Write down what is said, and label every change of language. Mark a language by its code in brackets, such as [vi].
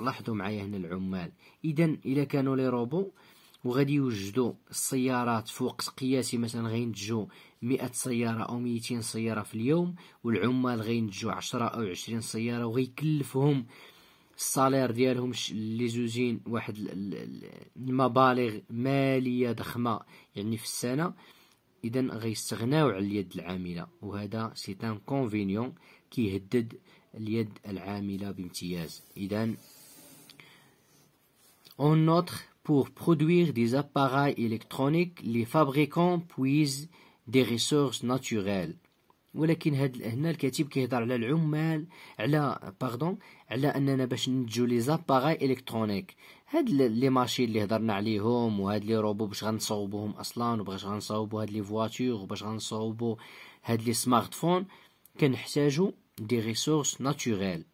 [ar] لاحظوا معايا هنا العمال، اذا كانوا لي روبو وغادي يوجدوا السيارات في وقت قياسي، مثلا غينتجوا 100 سياره او 200 سياره في اليوم، والعمال غينتجوا 10 او 20 سياره، وغيكلفهم الصالير ديالهم لي زوزين واحد المبالغ ماليه ضخمه يعني في السنه، إذن غيستغناو على اليد العاملة، وهذا [fr] سي ان كونفينيون [ar] كيهدد اليد العاملة بامتياز. [fr] إذن اون نوتر pour produire des appareils électroniques, les fabricants puisent des ressources naturelles. [ar] ولكن هاد هنا الكاتب كيهضر على العمال، على باردون، على اننا باش ننتجو لي زاباراي الكترونيك، هاد لي ماشين اللي هضرنا عليهم، وهاد لي روبو باش غنصاوبوهم اصلا، وباش غنصاوبو هاد لي فواتور، وباش غنصاوبو هاد لي سمارت فون، كنحتاجو [fr] دي ريسورس ناتوريل.